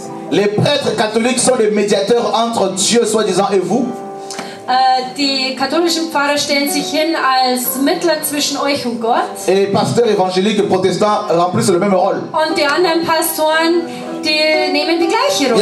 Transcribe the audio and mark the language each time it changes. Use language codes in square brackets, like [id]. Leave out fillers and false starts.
[fr] Les prêtres catholiques sont les médiateurs entre Dieu, soi-disant, et vous. [de] Die katholischen Pfarrer stellen sich hin als Mittler zwischen euch und Gott. [fr] Et les pasteurs évangéliques et protestants remplissent le même rôle. [de] Und die anderen Pastoren, die nehmen die gleiche Rolle.